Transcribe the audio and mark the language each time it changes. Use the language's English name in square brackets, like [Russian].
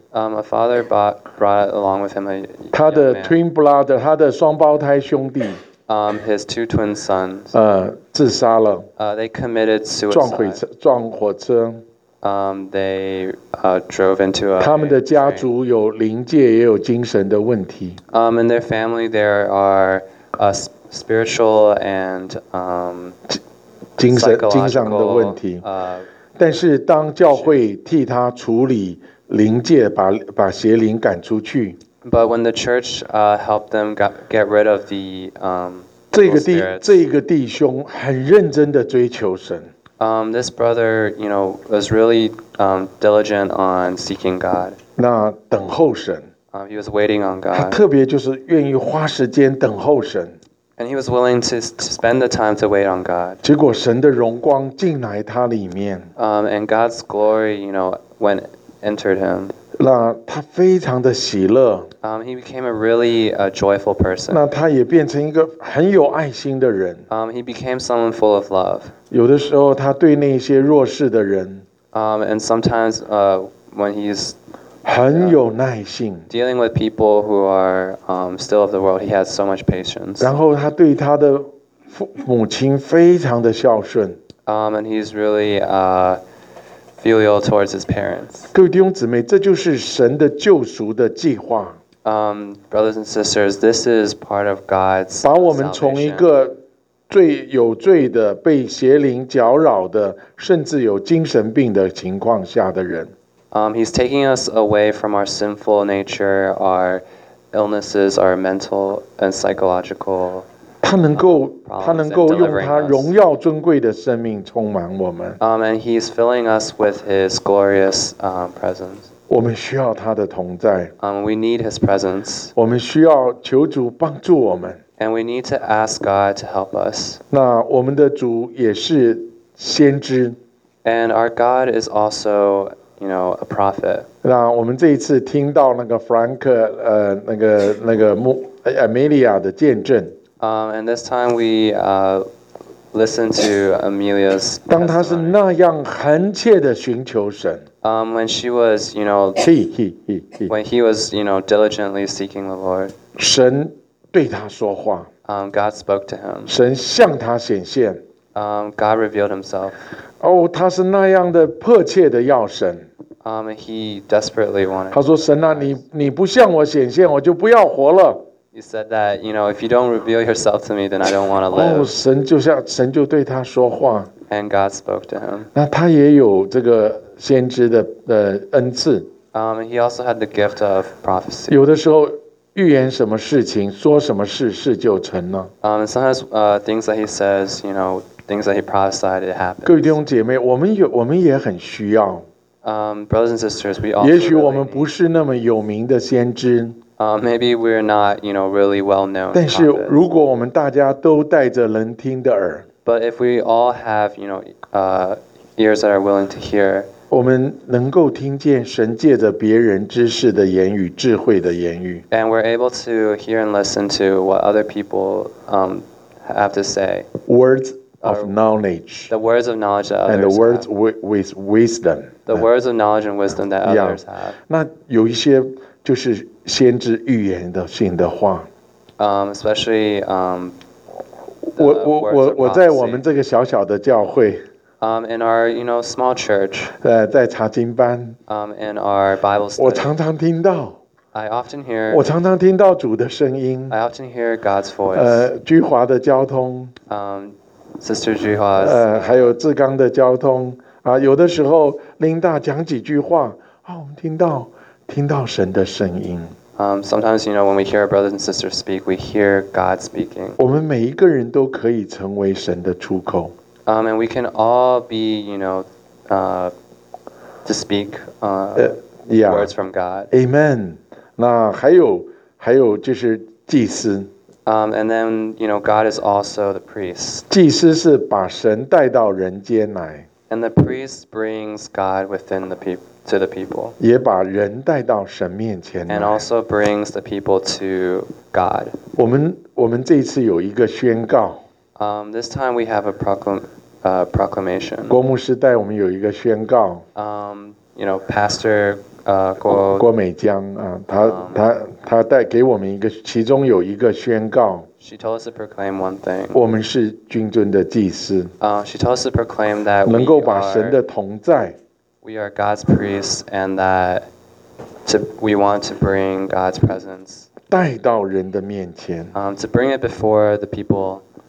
[English] A father brought along with him a. [Chinese] 他的 [English] twin brother, [Chinese] 他的双胞胎兄弟。 [English] His two twin sons. [Chinese] 自杀了。 [English] They committed suicide. [Chinese] 撞火车。 [English] They drove into a. [Chinese] 他们的家族有灵界也有精神的问题。 [English] In their family there are spiritual and [Chinese] 精神的问题。但是当教会替他处理灵界，把邪灵赶出去。 [English] But when the church helped them get rid of the [Chinese] 这个弟兄很认真的追求神。 [English] This brother, you know, was really diligent on seeking God. [Chinese] 那等候神。 [English] He was waiting on God. [Chinese] 他特别就是愿意花时间等候神。 [English] And he was willing to spend the time to wait on God. [Chinese] 结果神的荣光进来他里面。 [English] And God's glory, you know, entered him. [Chinese] 那他非常的喜乐。 [English] He became a really joyful person. [Chinese] 那他也变成一个很有爱心的人。 [English] He became someone full of love. [Chinese] 有的时候他对那些弱势的人。 [English] And sometimes when he's [Chinese] 很有耐心。 [English] Dealing with people who are still of the world, he has so much patience. [Chinese] 然后他对他的母亲非常的孝顺。 [English] And he's really filial towards his parents. [Chinese] 各位弟兄姊妹，这就是神的救赎的计划。 [English] Brothers and sisters, this is part of God's salvation. [Chinese] 把我们从一个最有罪的、被邪灵搅扰的、甚至有精神病的情况下的人。 [English] He's taking us away from our sinful nature, our illnesses, our mental and psychological. [Chinese] 他能够用他荣耀尊贵的生命充满我们。 [English] And he's filling us with his glorious presence. [Chinese] 我们需要他的同在。 [English] We need his presence. [Chinese] 我们需要求主帮助我们。 [English] And we need to ask God to help us. [Chinese] 那我们的主也是先知。 [English] And our God is also, you know, a prophet. [Chinese] 那我们这一次听到那个弗兰克，那个Amelia的见证。 [English] And this time we listen to Amelia's. [Chinese] 当她是那样恳切的寻求神。 [English] When she was, you know, when he was, you know, diligently seeking the Lord. [Chinese] 神对他说话。 [English] God spoke to him. [Chinese] 神向他显现。 [English] God revealed himself. [Chinese] 哦，他是那样的迫切的要神。 [English] He desperately wanted. [Chinese] 他说：“神啊，你不向我显现，我就不要活了。” [English] He said that, you know, if you don't reveal yourself to me, then I don't want to live. [Chinese] 哦，神就像神就对他说话。 [English] And God spoke to him. [Chinese] 那他也有这个先知的恩赐。 [English] He also had the gift of prophecy. [Chinese] 有的时候预言什么事情，说什么事，事就成了。 [English] Sometimes, things that he says, you know, things that he prophesied, it happens. [Chinese] 各位弟兄姐妹，我们也很需要。 [English] Brothers and sisters, we also. [Chinese] 也许我们不是那么有名的先知。 [English] Maybe we're not, you know, really well known. [Chinese] 但是如果我们大家都带着能听的耳。 [English] But if we all have, you know, ears that are willing to hear. [Chinese] 我们能够听见神借着别人知识的言语、智慧的言语。 [English] And we're able to hear and listen to what other people have to say. Words. Of knowledge, the words of knowledge that others and the words have. With wisdom, the words of knowledge and wisdom that others have. [Chinese] 那有一些就是先知预言的性的话。 [English] Especially [Chinese] 我在我们这个小小的教会。 [English] In our you know small church. [Chinese] 在查经班。 [English] In our Bible study. [Chinese] 我常常听到。 [English] I often hear. [Chinese] 我常常听到主的声音。 [English] I often hear God's voice. [Chinese] 居华的交通。 [English] Sister Juhua's. [Chinese] 还有志刚的交通啊，有的时候琳达讲几句话啊，我们听到神的声音。 [English] Sometimes you know when we hear our brothers and sisters speak, we hear God speaking. [Chinese] 我们每一个人都可以成为神的出口。 [English] And we can all be, you know, to speak words from God. [Chinese] Amen. 那还有就是祭司。 [English] And then, you know, God is also the priest. [Chinese] 祭司是把神带到人间来。 [English] And the priest brings God within the people to the people. [Chinese] 也把人带到神面前来。 [English] And also brings the people to God. [Chinese] 我们这一次有一个宣告。 [English] This time we have a proclamation. [Chinese] 郭牧师带我们有一个宣告。 [English] You know, Pastor. [Chinese] 郭美江啊，他带给我们一个，其中有一个宣告。 [English] She told us to proclaim one thing. [Chinese] 我们是君尊的祭司。 [English] She told us to proclaim that we are. [Chinese] 能够把神的同在。 [English] We are God's priests, and that we want to bring God's presence. [Chinese] 带到人的面前。 [English] To bring it before the people.